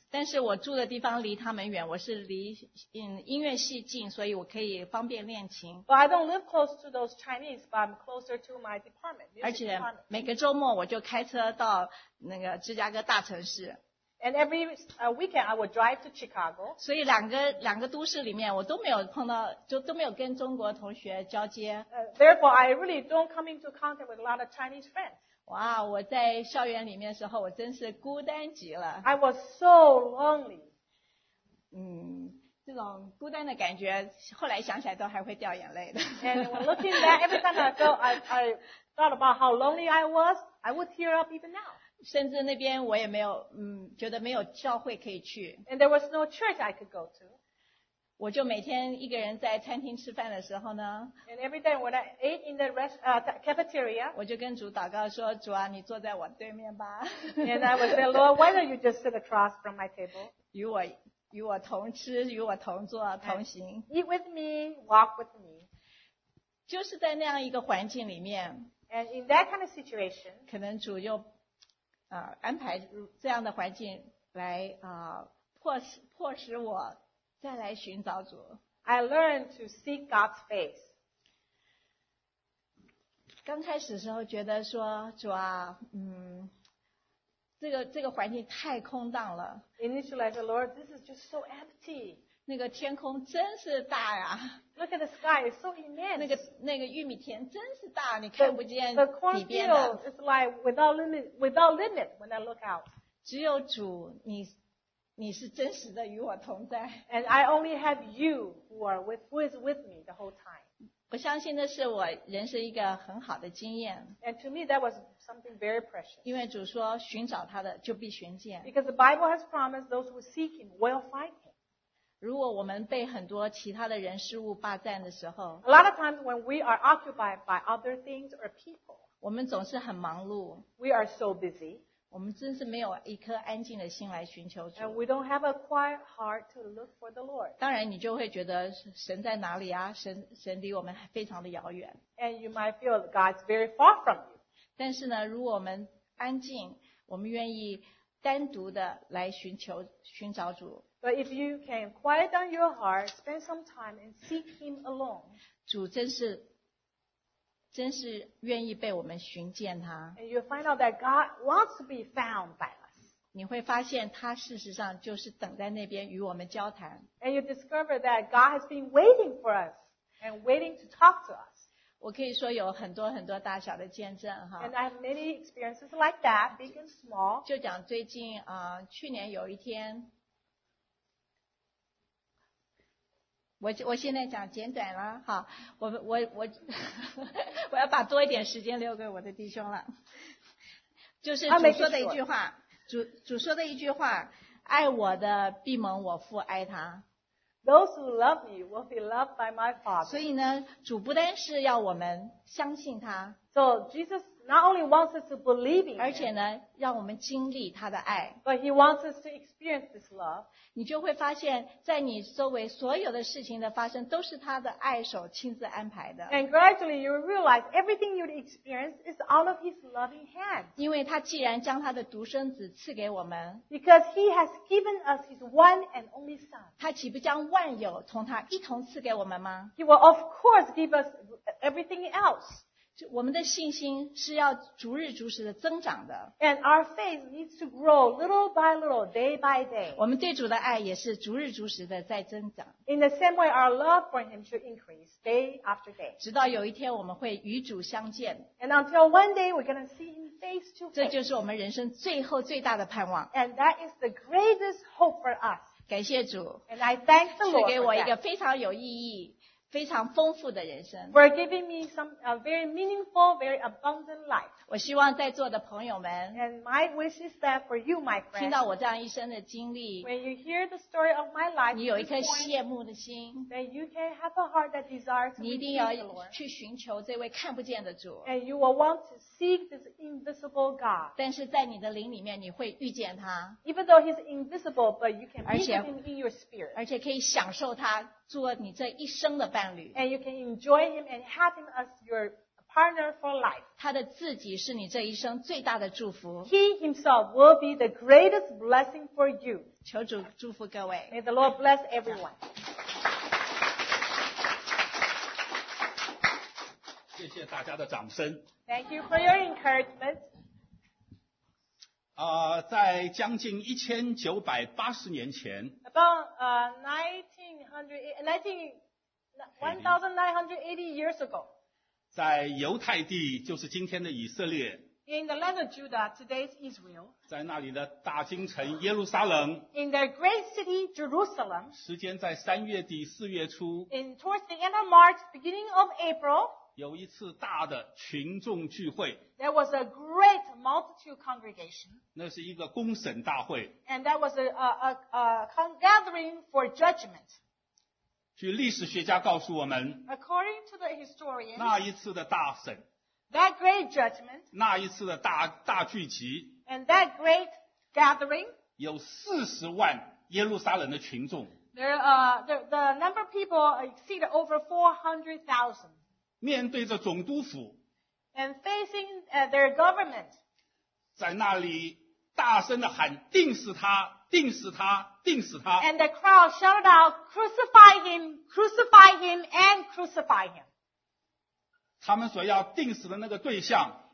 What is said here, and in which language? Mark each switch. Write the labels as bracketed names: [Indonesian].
[Chinese] 但是我住的地方离他们远，我是离音乐系近，所以我可以方便练琴。 [English] But I don't live close to those Chinese, but I'm closer to my department. [Chinese] 而且每个周末我就开车到那个芝加哥大城市。 [English] And every weekend I would drive to Chicago. [Chinese] 所以两个都市里面我都没有碰到就都没有跟中国同学交接。 [English] Therefore, I really don't come into contact with a lot of Chinese friends. [Chinese] 哇、wow, 我在校园里面的时候我真是孤单极了。 [English] I was so lonely. [Chinese] 嗯这种孤单的感觉后来想起来都还会掉眼泪的。 [English] And looking back, every time I go, I thought about how lonely I was, I would tear up even now. [Chinese] 甚至那边我也没有觉得没有教会可以去。 [English] And there was no church I could go to. [Chinese] 我就每天一个人在餐厅吃饭的时候呢。 [English] And every day when I ate in the cafeteria. [Chinese] 我就跟主祷告说主啊你坐在我对面吧。 [English] And I would say, Lord, why don't you just sit across from my table? [Chinese] 与我同吃与我同坐同行。 [English] And eat with me, walk with me. [Chinese] 就是在那样一个环境里面。 [English] And in that kind of situation. [Chinese] 可能主就安排这样的环境来迫使我再来寻找主。 [English] I learned to seek God's face. [Chinese] 刚开始的时候觉得说主啊，这个环境太空荡了。 [English] Initially, I said, Lord, this is just so empty. [Chinese] 那个天空真是大呀。 [English] Look at the sky, it's so immense. [Chinese] 那个玉米田真是大，你看不见底边的。 [English] The cornfield is like without limit when I look out. [Chinese] 只有主，你是真实的与我同在。 [English] And I only have you who is with me the whole time. [Chinese] 我相信那是我人生一个很好的经验。 [English] And to me, that was something very precious. [Chinese] 因为主说，寻找他的就必寻见。 [English] Because the Bible has promised those who seek Him will find Him. [Chinese] 如果我们被很多其他的人事物霸占的时候 [English] ，A lot of times when we are occupied by other things or people， [Chinese] 我们总是很忙碌 [English] ，We are so busy， [Chinese] 我们真是没有一颗安静的心来寻求主 [English] ，And we don't have a quiet heart to look for the Lord。 [Chinese] 当然，你就会觉得神在哪里啊？神离我们非常的遥远 [English] ，And you might feel God's very far from you。 [Chinese] 但是呢，如果我们安静，我们愿意单独的来寻找主。 [English] But if you can quiet down your heart, spend some time and seek Him alone. [Chinese] 主真是愿意被我们寻见他。 [English] And you find out that God wants to be found by us. [Chinese] 你会发现他事实上就是等在那边与我们交谈。 [English] And you discover that God has been waiting for us and waiting to talk to us. [Chinese] 我可以说有很多很多大小的见证哈。 [English] And I have many experiences like that, big and small. [Chinese] 就讲最近去年有一天。我现在讲简短了好我要把多一点时间留给我的弟兄了。就是主说的一句话主说的一句话爱我的必蒙我父爱他。 [English] Those who love me will be loved by my father. [Chinese] 所以呢主不单是要我们相信他。 [English] So Jesus not only wants us to believe in him, [Chinese] 而且呢让我们经历他的爱。 [English] But he wants us to experience this love. [Chinese] 你就会发现在你周围所有的事情的发生都是他的爱手亲自安排的。 [English] And gradually you realize everything you experience is out of his loving hand. [Chinese] 因为他既然将他的独生子赐给我们。 [English] Because he has given us his one and only son. [Chinese] 他岂不将万有同他一同赐给我们吗？ [English] He will of course give us everything else. [Chinese] 我们的信心是要逐日逐时的增长的。 [English] And our faith needs to grow little by little, day by day. [Chinese] 我们对主的爱也是逐日逐时的在增长。 [English] In the same way, our love for him should increase day after day. [Chinese] 直到有一天我们会与主相见。 [English] And until one day, we're going to see him face to face. [Chinese] 这就是我们人生最后最大的盼望。 [English] And that is the greatest hope for us. [Chinese] 感谢主。 [English] And I thank the Lord. [Chinese] 赐给我一个非常有意义。非常丰富的人生。 [English] For giving me some a very meaningful, very abundant life. [Chinese] 我希望在座的朋友们。 [English] And my wish is that for you, my friend. [Chinese] 听到我这样一生的经历。 [English] When you hear the story of my life. [Chinese] 你有一颗羡慕的心。 [English] Then you can have a heart that desires to be with the Lord. [Chinese] 你一定要去寻求这位看不见的主。 [English] And you will want to seek this invisible God. [Chinese] 但是在你的灵里面你会遇见他。 [English] Even though he's invisible, but you can meet him in your spirit. [Chinese] 而且可以享受他。做你这一生的伴侣。 [English] And you can enjoy him and have him as your partner for life. [Chinese] 他的自己是你这一生最大的祝福。 [English] He himself will be the greatest blessing for you. [Chinese] 求主祝福各位。 [English] May the Lord bless everyone. [Chinese] 谢谢大家的掌声。 [English] Thank you for your encouragement. [Chinese] 在将近1980年前 [English] About 1980 years ago [Chinese] 在犹太地，就是今天的以色列。 [English] In the land of Judah, today's Israel. [Chinese] 在那里的大京城耶路撒冷。 [English] In the great city Jerusalem. [Chinese] 时间在三月底四月初。 [English] In towards the end of March, beginning of April. [Chinese] 有一次大的群众聚会。 [English] There was a great multitude congregation. [Chinese] 那是一个公审大会。 [English] And that was a gathering for judgment. [Chinese] 据历史学家告诉我们。 [English] According to the historians. [Chinese] 那一次的大审。 [English] That great judgment, [Chinese] 那一次的 大聚集 [English] and that great gathering, [Chinese] 有40万耶路撒冷的群众 [English] the number of people exceeded over 400,000 [Chinese] 面对着总督府 [English] and facing their government [Chinese] 在那里大声地喊钉死他钉死他钉死他 [English] and the crowd shouted out crucify him, crucify him, and crucify him [Chinese] 他们所要钉死的那个对象